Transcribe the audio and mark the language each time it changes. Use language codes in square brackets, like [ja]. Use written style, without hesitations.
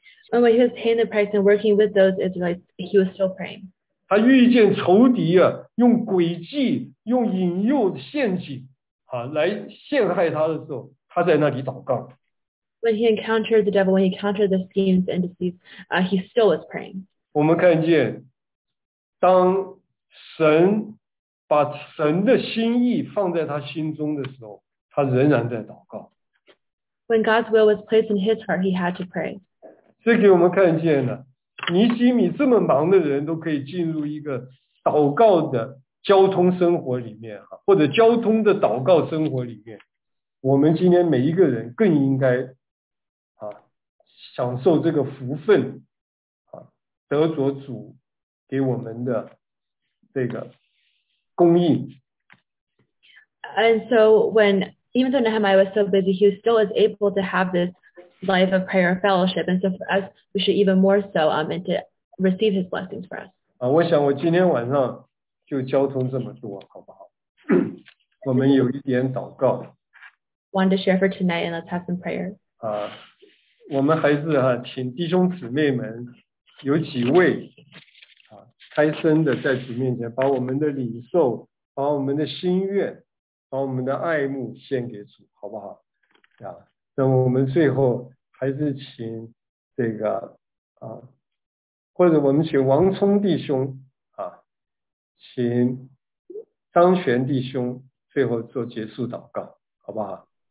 [en] And when he was paying the price and working with those Israelites, he was still praying. [zh] 他遇见仇敌啊，用诡计、用引诱陷阱啊来陷害他的时候，他在那里祷告。 [en] When he encountered the devil, when he encountered the schemes and deceits, he still was praying. [zh] 我们看见，当神把神的心意放在他心中的时候，他仍然在祷告。 [en] When God's will was placed in his heart, he had to pray. [zh] 这给我们看见了，尼希米这么忙的人都可以进入一个祷告的交通生活里面，或者交通的祷告生活里面，我们今天每一个人更应该享受这个福分，得着主给我们的这个供应。 [en] And so when, even though Nehemiah was so busy, he still was able to have this life of prayer and fellowship. And so for us, we should even more so, and to receive his blessings for us. [zh] 我想我今天晚上就交通这么多，好不好？我们有一点祷告。 [en] Wanted to share for tonight, and let's have some prayer. [zh] 我们还是请弟兄姊妹们有几位开声的在主面前，把我们的领受，把我们的心愿，把我们的爱慕献给主，好不好？那我们最后还是请这个或者我们请王聪弟兄请张璇弟兄最后做结束祷告，好不好？